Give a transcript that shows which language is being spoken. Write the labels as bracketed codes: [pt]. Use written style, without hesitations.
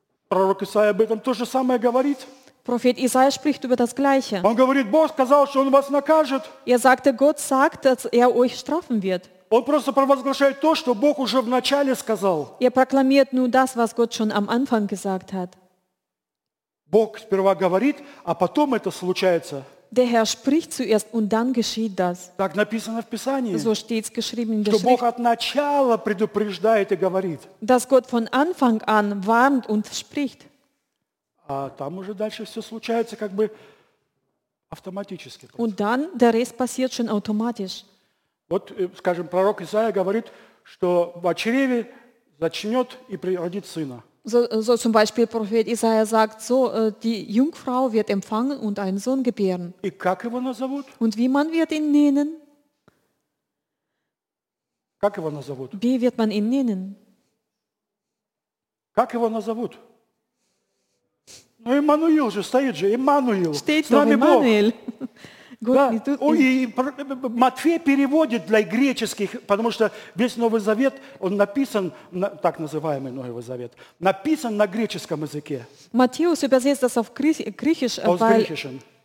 [ru] Пророк Исаия об этом то же самое говорит. [de] Prophet Isaiah spricht über das Gleiche. [ru] Он говорит, Бог сказал, что он вас накажет. [de] Er sagte, Gott sagt, dass er euch strafen wird. [ru] Он просто провозглашает то, что Бог уже вначале сказал. [de] Er proklamiert nur das, was Gott schon am Anfang gesagt hat. [ru] Бог сперва говорит, а потом это случается. [de] Der Herr spricht zuerst und dann geschieht das. [ru] Так написано в Писании. [de] So steht's geschrieben in der Schrift. [ru] Что Бог от начала предупреждает и говорит. [de] Dass Gott von Anfang an warnt und spricht. [ru] А там уже дальше все случается как бы автоматически. [de] Und dann der Rest passiert schon automatisch. [ru] Вот, скажем, пророк Исаия говорит, что в чреве зачнет и родит сына. [de] So zum Beispiel Prophet Isaiah sagt, so die Jungfrau wird empfangen und einen Sohn gebären. [ru] И как его назовут? [de] Und wie man wird ihn nennen? [ru] Как его назовут? [de] Wie wird man ihn nennen? [ru] Как его назовут? Ну, Эммануил же стоит же, Эммануил. [de] Steht [ru] с нами Эммануил. Бог. Да. Ой, и Матфей переводит для греческих, потому что весь Новый Завет, он написан, так называемый Новый Завет, написан на греческом языке. [de] Matthäus übersetzt das auf griechisch,